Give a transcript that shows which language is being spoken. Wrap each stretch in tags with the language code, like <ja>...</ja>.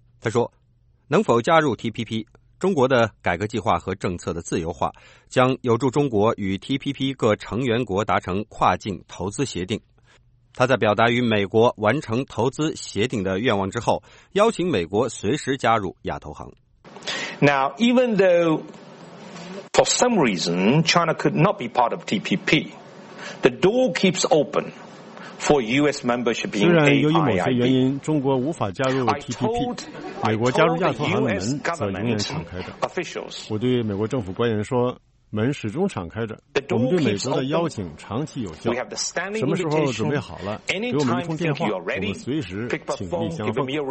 <zh>他说，能否加入 TPP， 中国的改革计划和政策的自由化将有助中国与 TPP 各成员国达成跨境投资协定。他在表达与美国完成投资协定的愿望之后，邀请美国随时加入亚投行。</zh> <en>Now, even though for some reason China could not be part of TPP, the door keeps open.</en> <zh>虽然由于某些原因中国无法加入 TPP， 美国加入亚投行的门则永远敞开着。我对美国政府官员说，门始终敞开着，我们对美国的邀请长期有效，什么时候准备好了给我们一通电话，我们随时请你相逢。</zh>